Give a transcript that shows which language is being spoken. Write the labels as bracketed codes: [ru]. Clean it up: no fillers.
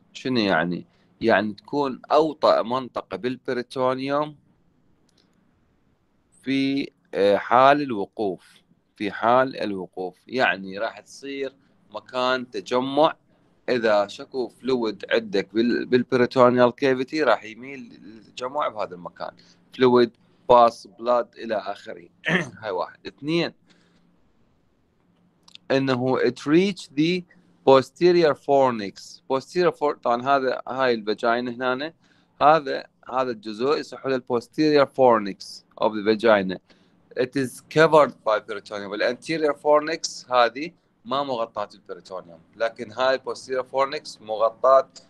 [ar] شنو يعني؟ يعني تكون أوطأ منطقة بالبريتونيوم في حال الوقوف، في حال الوقوف يعني راح تصير مكان تجمع. إذا شكو فلويد عندك بالبريتونيال كافيتي راح يميل للتجمع بهذا المكان، فلويد باس بلاد إلى آخره. هاي واحد. اثنين، إنه [en] it reach the posterior fornix. [ar] posterior fornix طبعا هذا هاي الفاجينا هنا، هذا الجزء يسحب له [en] posterior fornix of the vagina. it is covered by peritoneum. [ar] anterior fornix هذه ما مغطاة البريتونيوم، لكن هاي posterior fornix مغطاة.